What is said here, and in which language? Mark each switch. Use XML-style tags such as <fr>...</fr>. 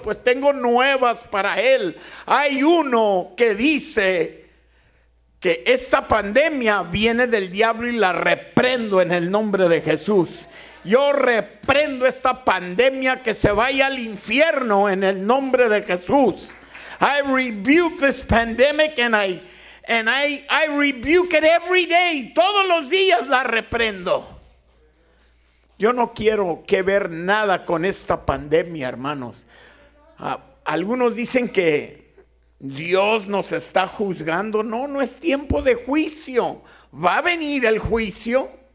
<es>Pues tengo nuevas para él. Hay uno que dice que esta pandemia viene del diablo y la reprendo en el nombre de Jesús. Yo reprendo esta pandemia que se vaya al infierno en el nombre de Jesús.</es> <en>I rebuke this pandemic and I rebuke it every day.</en> <es>Todos los días la reprendo. Yo no quiero que ver nada con esta pandemia, hermanos. Algunos dicen que Dios nos está juzgando. No, no es tiempo de juicio. Va a venir el juicio.</es>